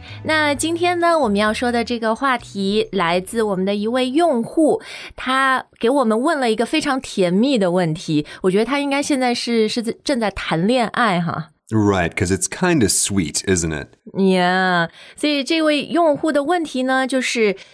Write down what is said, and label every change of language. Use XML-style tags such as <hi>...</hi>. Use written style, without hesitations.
<zh>那今天呢，我们要说的这个话题来自我们的一位用户，他给我们问了一个非常甜蜜的问题。我觉得他应该现在是正在谈恋爱哈。</zh> <en>Right, because it's kind of sweet, isn't it? Yeah.</en> <zh>所以这位用户的问题呢，就是。</zh>